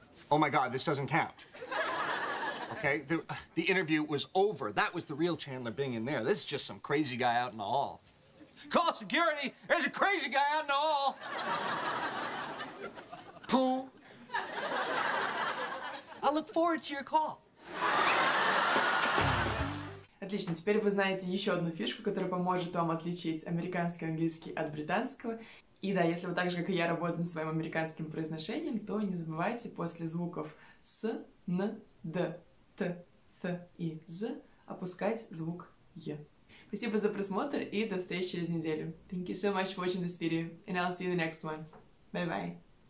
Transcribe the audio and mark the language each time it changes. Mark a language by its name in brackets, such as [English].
[English] Oh my God, this doesn't count. Okay, the interview was over. That was the real Chandler Bing in there. This is just some crazy guy out in the hall. Call security. There's a crazy guy out in the hall. Pool. I look forward to your call. [Russian] Отлично, теперь вы знаете еще одну фишку, которая поможет вам отличить американский английский от британского. И да, если вы так же, как и я, работаете над своим американским произношением, то не забывайте после звуков «с», «н», «д», «т», «ф» и «з» опускать звук «е». Спасибо за просмотр и до встречи через неделю. [English] Thank you so much for watching this video, and I'll see you in the next one. Bye-bye.